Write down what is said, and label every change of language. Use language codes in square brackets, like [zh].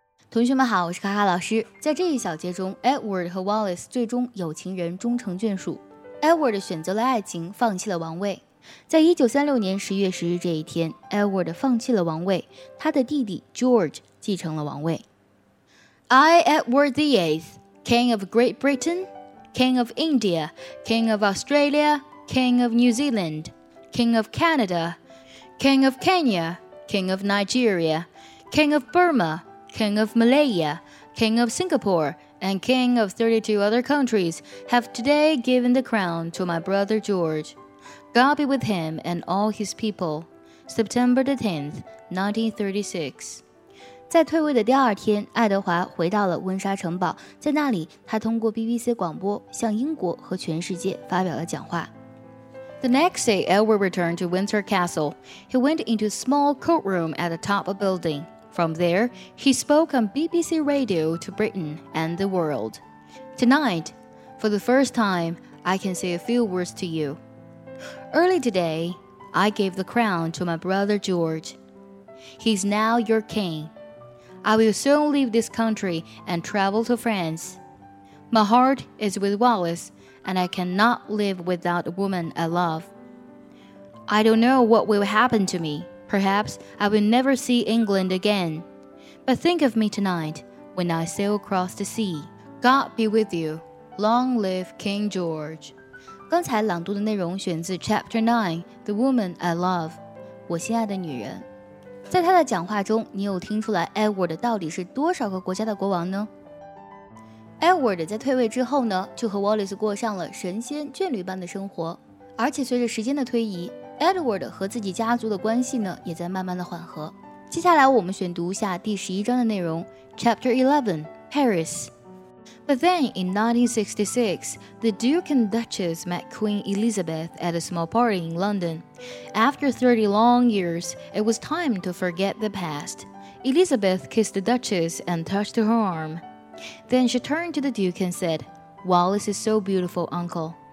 [zh] 同学们好，我是卡卡老师。在这一小节中， Edward 和 Wallace 最终有情人终成眷属。 Edward 选择了爱情，放弃了王位。在1936年11月10日这一天， Edward 放弃了王位，他的弟弟 George 继承了王位。 [en] I, Edward VIII, King of Great Britain, King of India, King of Australia, King of New Zealand, King of Canada, King of Kenya, King of Nigeria, King of Burma,King of Malaya, King of Singapore, and King of 32 other countries, have today given the crown to my brother George. God be with him and all his people. September the 10th, 1936. [zh] 在退位的第二天，爱德华回到了温莎城堡，在那里，他通过 BBC 广播向英国和全世界发表了讲话。 [en] The next day, Edward returned to Windsor Castle. He went into a small courtroom at the top of a building. From there, he spoke on BBC Radio to Britain and the world. Tonight, for the first time, I can say a few words to you. Early today, I gave the crown to my brother George. He's now your king. I will soon leave this country and travel to France. My heart is with Wallace, and I cannot live without a woman I love. I don't know what will happen to me. Perhaps I will never see England again. But think of me tonight when I sail across the sea. God be with you. Long live King George. [zh] 刚才朗读的内容选自 [en] Chapter 9, The Woman I Love, [zh] 我心爱的女人。在她的讲话中，你有听出来 Edward 到底是多少个国家的国王呢？ Edward 在退位之后呢，就和 Wallace 过上了神仙眷侣般的生活。而且随着时间的推移，Edward 和自己家族的关系呢，也在慢慢的缓和。接下来我们选读一下第十一章的内容 ， [en] Chapter 11, Paris. But then in 1966, the Duke and Duchess met Queen Elizabeth at a small party in London. After 30 long years, it was time to forget the past. Elizabeth kissed the Duchess and touched her arm. Then she turned to the Duke and said, "Wallace is so beautiful, Uncle.